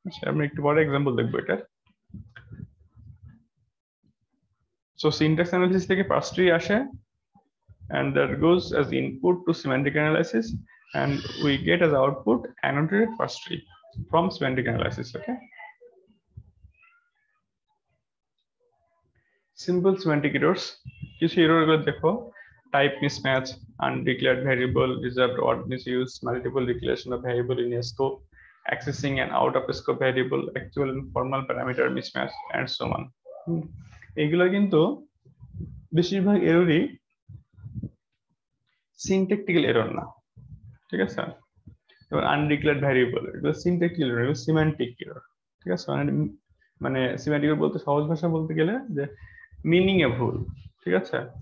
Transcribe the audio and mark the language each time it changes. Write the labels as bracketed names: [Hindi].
[Bangla] আমি একটু পরে এক্সাম্পল দেখবো এটার। [English] So syntax analysis থেকে parse tree আসে, and that goes as input to semantic analysis, and we get as output annotated parse tree from semantic analysis. [Bangla] Okay, simple semantic errors, কিছু error গুলো দেখো, [English] type mismatch, undeclared variable, reserved word misuse, multiple declaration of variable in a scope, accessing an out of scope variable, actual and formal parameter mismatch, and so on. [Bangla] এগুলো কিন্তু বেশিরভাগ এররই syntactical error না, ঠিক আছে? এবার আনডিক্লেয়ার্ড variable, এগুলো syntactical error, এগুলো semantic error, ঠিক আছে? মানে সিমেন্টিক বলতে সহজ ভাষা বলতে গেলে যে মিনিং এ ভুল, ঠিক আছে?